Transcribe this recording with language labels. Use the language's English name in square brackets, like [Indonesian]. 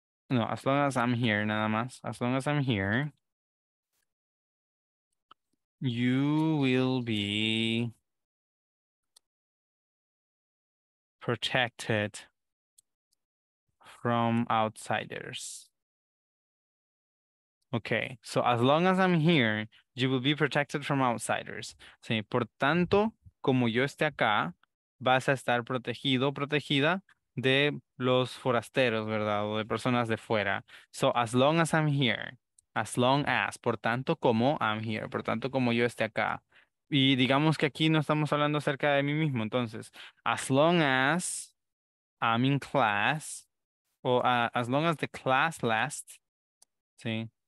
[English] No, as long as I'm here, [Spanish] nada más. [English] As long as I'm here, you will be protected from outsiders. Okay, so as long as I'm here, you will be protected from outsiders. [Spanish] Sí, por tanto, como yo esté acá, vas a estar protegido, protegida de los forasteros, ¿verdad? O de personas de fuera. [English] So as long as I'm here, as long as, [Spanish] por tanto, como [English] I'm here, [Spanish] por tanto, como yo esté acá. Y digamos que aquí no estamos hablando acerca de mí mismo. [English] Entonces, as long as I'm in class, o as long as the class lasts, sí.